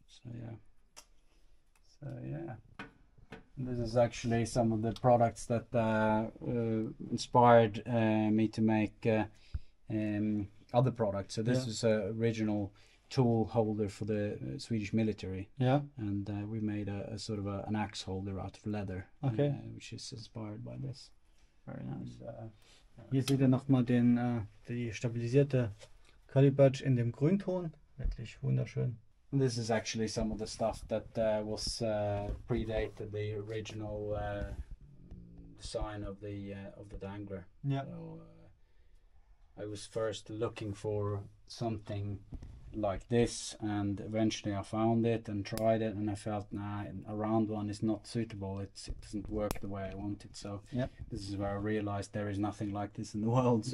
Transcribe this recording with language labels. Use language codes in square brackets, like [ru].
[en] So this is actually some of the products that inspired me to make other products. So this is a original tool holder for the Swedish military. We made a sort of an axe holder out of leather, which is inspired by this. Very nice. [de] Hier seht ihr nochmal den die stabilisierte Curly Birch in dem Grünton. Wirklich wunderschön. [en] This is actually some of the stuff that was predated the original design of the dangler. Yeah. So, I was first looking for something like this, and eventually I found it and tried it, and I felt a round one is not suitable, it doesn't work the way I want it. So this is where I realized there is nothing like this in the world.